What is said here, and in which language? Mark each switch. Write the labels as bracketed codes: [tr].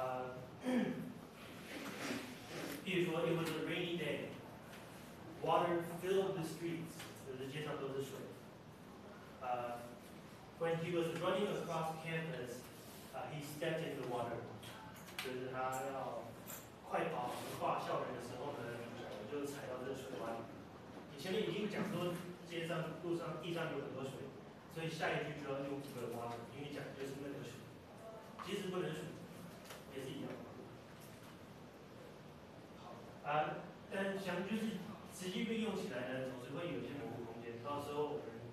[zh] 你之前提到的锁定出来的这台车，都要这样。为什么要这样？好，所以基本概念就是这样。所以这个其实跟可数不可数没关系，即使是不可数的，比如说 [en] it was a rainy day, water filled the streets. [zh] 就是街上都是水。 [en] When he was running across campus, he stepped in the water. [zh] 就是他要快跑跨校园的时候呢，就踩到这水洼里。你前面已经讲说街上路上地上有很多水，所以下一句就要用这个 water， 因为讲就是那个水，即使不能数，也是一样。好，但想就是实际运用起来呢，总是会有些模糊空间，到时候我们。